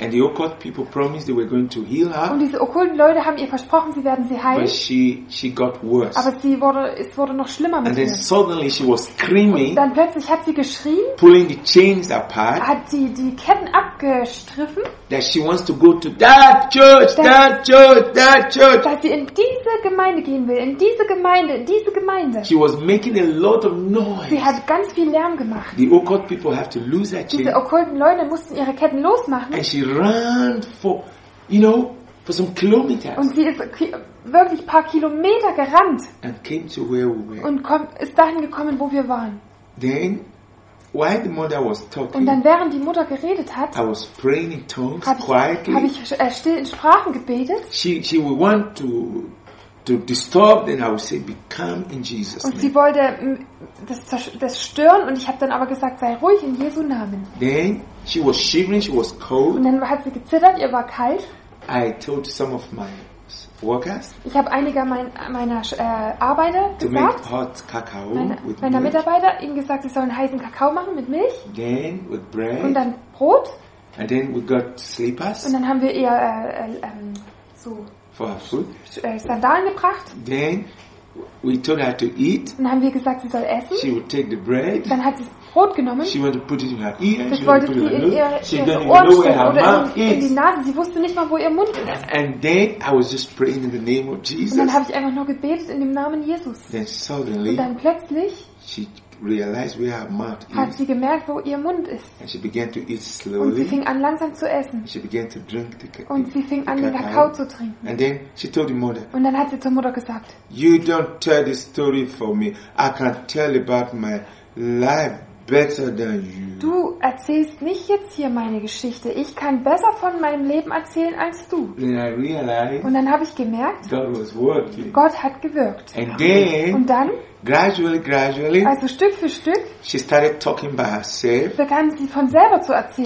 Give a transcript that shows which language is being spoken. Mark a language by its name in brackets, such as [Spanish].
[English] And the occult people promised they were going to heal her. [German] Und diese okkulten Leute haben ihr versprochen, sie werden sie heilen. [English] But she got worse. [German] Aber es wurde noch schlimmer mit [English] and then [German] ihr. [English] Suddenly she was screaming. [German] Und dann plötzlich hat sie geschrien. [English] Pulling the chains apart. [German] Hat die Ketten abgestriffen. [English] That she wants to go to that church, that church. [German] Dass sie in diese Gemeinde gehen will, in diese Gemeinde. [English] She was making a lot of noise. [German] Sie hat ganz viel Lärm gemacht. [English] The occult people have to lose their chains. [German] Diese okkulten Leute mussten ihre Ketten losmachen. [English] And she ran for some kilometers. [German] Und sie ist wirklich ein paar Kilometer gerannt. [English] And came to where we were. [German] Und ist dahin gekommen, wo wir waren. [English] Then, while the mother was talking, [German] und dann, während die Mutter geredet hat, [English] I was praying in tongues, quietly. [German] Habe ich still in Sprachen gebetet. [English] She would want to disturb, then I would say, be calm in Jesus' name. [German] Und sie wollte das stören, und ich habe dann aber gesagt, sei ruhig in Jesu Namen. [English] Then she was shivering, she was cold. [German] Und dann hat sie gezittert, ihr war kalt. [English] I told some of my workers, [German] ich habe einige meiner Arbeiter gesagt, [English] hot cacao [German] meiner Mitarbeiter, ihnen gesagt, sie sollen heißen Kakao machen mit Milch. [English] Then with bread. [German] Und dann Brot. [English] And then we got slippers. [German] Und dann haben wir ihr so [English] for her food. [German] Sandalen gebracht. [English] Then we told her to eat. [German] Und dann haben wir gesagt, sie soll essen. [English] She would take the bread. [German] Dann hat sie Brot genommen. [English] She wanted to put it in her ear. [German] Das wollte sie in ihr Ohren in die Nase. Sie wusste nicht mal, wo ihr Mund ist. [English] And then I was just praying in the name of Jesus. [German] Und dann habe ich einfach nur gebetet in dem Namen Jesus. [English] Then suddenly, [German] und dann plötzlich [English] she realized where her mouth is. [German] Hat sie gemerkt, wo ihr Mund ist. [English] And she began to eat slowly. [German] Und sie fing an, langsam zu essen. [English] She began to drink the cacao. [German] Und sie fing an, den Kakao zu trinken. [English] And then she told the mother, [German] und dann hat sie zur Mutter gesagt, [English] you don't tell this story for me. I can't tell about my life better than you. [German] Du erzählst nicht jetzt hier meine Geschichte. Ich kann besser von meinem Leben erzählen als du. [English] Then I realized, [German] und dann habe ich gemerkt, [English] God was working. [German] Gott hat gewirkt. [English] And then, [German] und dann, [English] gradually, [German] also Stück für Stück, [English] she started talking by herself, [German] begann sie von selber zu erzählen,